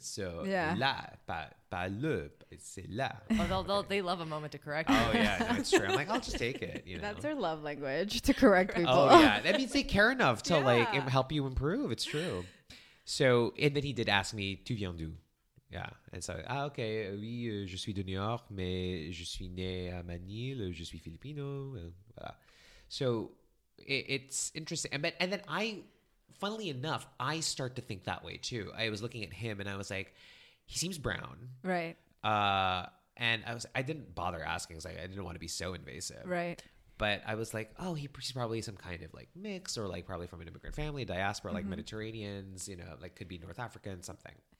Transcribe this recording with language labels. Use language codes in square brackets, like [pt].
[fr] So là, pas le, c'est là. [en] Oh, they love a moment to correct you. Oh, yeah. No, it's true. I'm like, I'll just take it. You know? That's their love language, to correct people. Oh, yeah. That means they care enough to like help you improve. It's true. So, and then he did ask me, [fr] tu viens d'où? [en] Yeah, and so, ah, okay, [fr] oui, je suis de New York, mais je suis né à Manille, je suis Filipino, voilà. [en] So it's interesting. And then I, funnily enough, I start to think that way too. I was looking at him and I was like, he seems brown. Right. I didn't bother asking. I was like, I didn't want to be so invasive. Right. But I was like, oh, he's probably some kind of like mix or like probably from an immigrant family, diaspora, like Mediterraneans, you know, like could be North African, something.